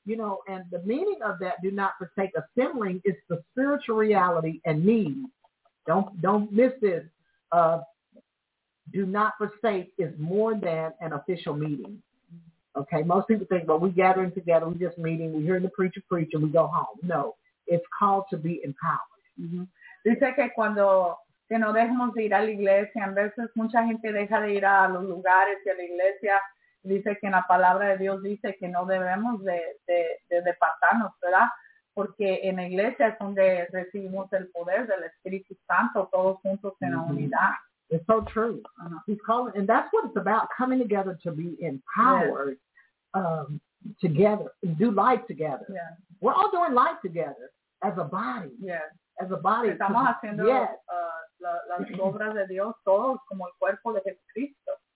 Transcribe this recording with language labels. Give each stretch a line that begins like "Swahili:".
English: You know, and the meaning of that do not forsake assembling is the spiritual reality and need. Don't miss this. Do not forsake is more than an official meeting. Okay. Most people think, well, we're gathering together, we're just meeting, we're hearing the preacher preach, and we go home. No. It's called to be empowered. Mm-hmm.
Spanish: Dice que cuando que no dejemos de ir a la iglesia, en veces mucha gente deja de ir a los lugares y a la iglesia. Dice que en la palabra de Dios dice que no debemos de departarnos, ¿verdad? Porque en la iglesia es donde recibimos el poder del Espíritu Santo, todos juntos en la unidad.
English: It's so true. He's calling, and that's what it's about, coming together to be empowered, yes. Together, do life together. Yes. We're all doing life together as a body. Yes. As a body.
Spanish: Estamos haciendo las obras de Dios todos como el cuerpo de Jesucristo.